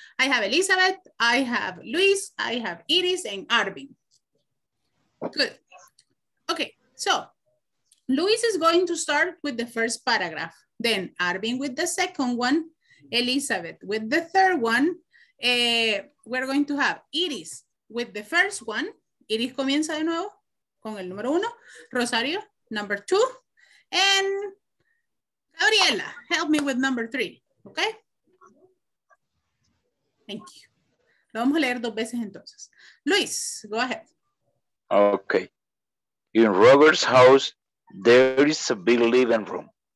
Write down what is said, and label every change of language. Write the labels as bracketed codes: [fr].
[en] I have Elizabeth, I have Luis, I have Iris and Arvin. Good. Okay, so Luis is going to start with the first paragraph, then Arvin with the second one, Elizabeth with the third one. We're going to have Iris with the first one. [es] Iris comienza de nuevo con el número uno. [en] Rosario, number two. And Gabriela, help me with number three, okay? Thank you. [es] Lo vamos a leer dos veces entonces. Luis, [en] go ahead. Okay. In Robert's house, there is a big living room.